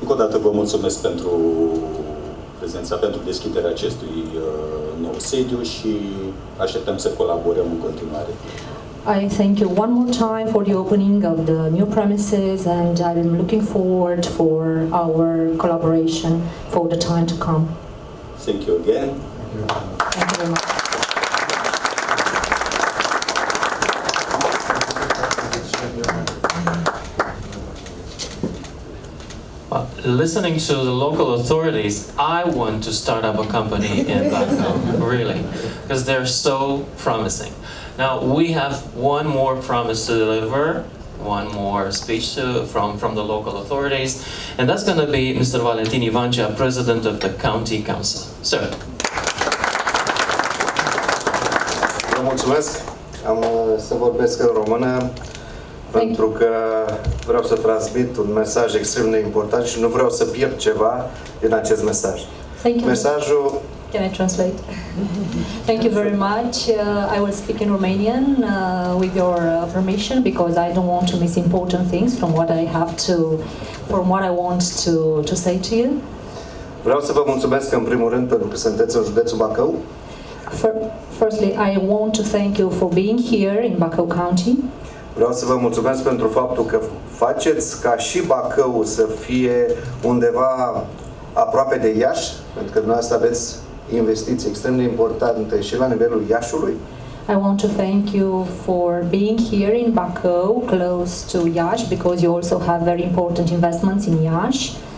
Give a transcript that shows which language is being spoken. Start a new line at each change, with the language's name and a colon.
Romanian: Încă o dată vă mulțumesc pentru prezența, pentru deschiderea acestui nou sediu și așteptăm să colaborăm în continuare.
English: I thank you one more time for the opening of the new premises and I'm looking forward for our collaboration for the time to come. Thank you again. Thank you very much. Listening to the local authorities, I want to start up a company in Bacau, really, because they're so promising. Now we have one more promise to deliver, one more speech to, from the local authorities, and that's going to be Mr. Valentin Ivancea, president of the county council. Sir.
Romanian: Vă mulțumesc. Am să vorbesc în română pentru că vreau să transmit un mesaj extrem de important și nu vreau să pierd ceva din acest mesaj.
English: Thank you.
Romanian: Mesajul.
English: Can I translate? Thank you very much. I will speak in Romanian with your permission because I don't want to miss important things from what I have to, from what I want to say to you.
Romanian: Vreau să vă mulțumesc în primul rând pentru că sunteți în județul Bacău.
English: Firstly, I want to thank you for being here in Bacău County.
Romanian: Vreau să vă mulțumesc pentru faptul că faceți ca și Bacău să fie undeva aproape de Iași, pentru că dumneavoastră aveți investiții extrem de importante și la nivelul Iașului.
English: I want to thank you for being here in Bacău, close to Iași, because you also have very important investments in Iași.